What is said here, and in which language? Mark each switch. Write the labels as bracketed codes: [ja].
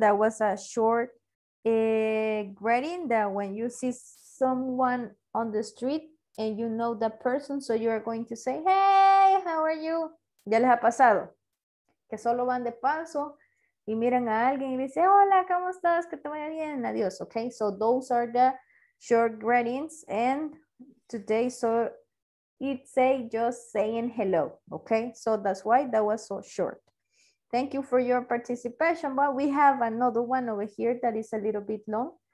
[en] That was a short grading, that when you see someone on the street and you know that person, so you are going to say, hey, how are you? [es] Ya les ha pasado que solo van de paso y miran a alguien y dicen, hola, ¿cómo estás? Que te vaya bien, adiós. [en] Okay, so those are the short gradings, and today, so it's a just saying hello. Okay, so that's why that was so short. Thank you for your participation, but we have another one over here that is a little bit long.